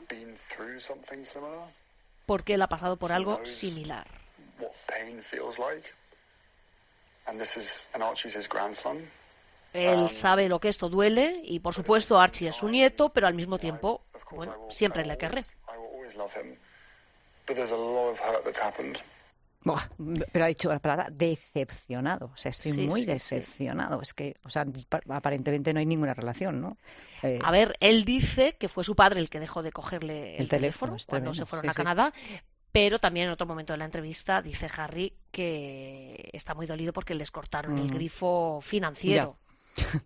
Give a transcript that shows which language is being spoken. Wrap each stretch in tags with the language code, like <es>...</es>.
<en>He's been through something similar.</en> <es>Porque él ha pasado por algo similar.</es> <en>What pain feels like. And this is an Archie's grandson.</en> <es>Él sabe lo que esto duele y, por supuesto, Archie es su nieto, pero al mismo tiempo, bueno, siempre le querré.</es> <en>I will always love him, but there's a lot of hurt that's happened.</en> <es>Pero ha dicho la palabra decepcionado. O sea, estoy muy decepcionado. Sí. Es que, o sea, aparentemente no hay ninguna relación, ¿no? A ver, él dice que fue su padre el que dejó de cogerle el teléfono cuando se fueron a Canadá. Pero también en otro momento de la entrevista dice Harry que está muy dolido porque les cortaron el grifo financiero. Ya.</es>